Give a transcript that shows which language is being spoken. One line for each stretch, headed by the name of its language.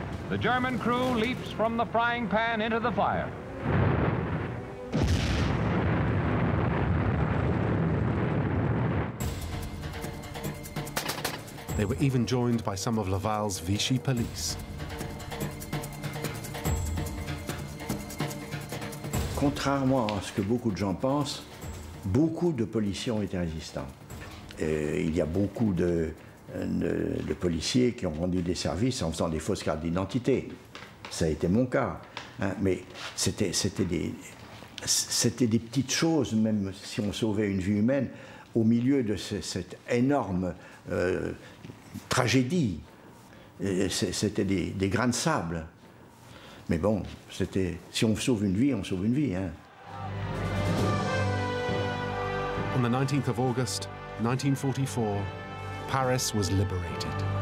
English: The German crew leaps from the frying pan into the fire. They were even joined by some of Laval's Vichy police.
French: Contrairement à ce que beaucoup de gens pensent, beaucoup de policiers ont été résistants. Et il y a beaucoup de policiers qui ont rendu des services en faisant des fausses cartes d'identité. Ça a été mon cas. Hein, mais c'était des petites choses, même si on sauvait une vie humaine, au milieu de cette énorme tragédie. C'était des grains de sable. Mais bon, c'était, si on sauve une vie, on sauve une vie. Hein.
English: On the 19th of August, 1944, Paris was liberated.